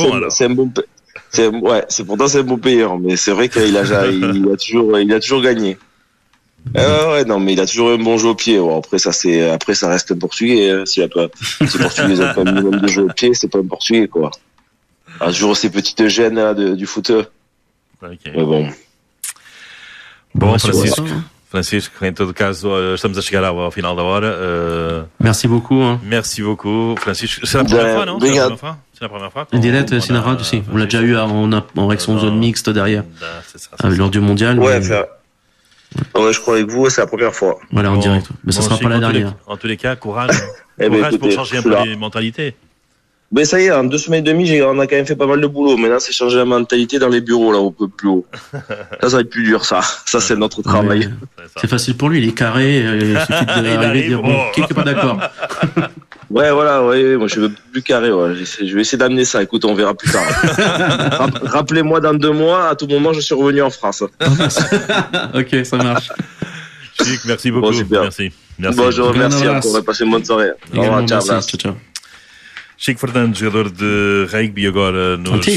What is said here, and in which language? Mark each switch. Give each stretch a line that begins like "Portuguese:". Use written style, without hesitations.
French: c'est un bon payeur, mais c'est vrai qu'il a toujours gagné. Il a toujours eu un bon jeu au pied. Bon, après, ça reste un Portugais. Hein, s'il a pas, si les Portugais n'ont pas un minimum de jeu au pied, c'est pas un Portugais, quoi. A toujours ces petites gènes là, du foot. Okay. Mais bon. Bon, Francisco.
Portuguese: Francisco, em todo caso, estamos a chegar ao final da hora.
French: Merci beaucoup. Hein. Merci beaucoup, Francisco. C'est la première fois, non? En direct, c'est la radio, si. On l'a déjà eu en réaction zone mixte derrière. C'est ça. Lors du mondial. Ouais, mais... ouais, je crois avec vous, c'est la première fois. Voilà, bon, en direct. Mais ça ne sera pas la dernière. En tous les cas, courage. Courage pour changer un peu les mentalités. Mais ça y est, en deux semaines et demie, on a quand même fait pas mal de boulot. Maintenant, c'est changer la mentalité dans les bureaux, là, un peu plus haut. Ça va être plus dur, ça. Ça, c'est notre travail. Oui, c'est facile pour lui, il est carré. Il arrive, qui n'est pas d'accord. Ouais, voilà, ouais, moi, je veux plus carré. Ouais. Je vais essayer d'amener ça. Écoute, on verra plus tard. Rappelez-moi dans deux mois, à tout moment, je suis revenu en France. Ok, ça marche. Chic, merci beaucoup. Bon, super. Merci. Bonjour, merci. On va passer une bonne soirée. Également, au revoir, ciao, ciao.
Portuguese: Chico Fernandes, jogador de rugby agora nos...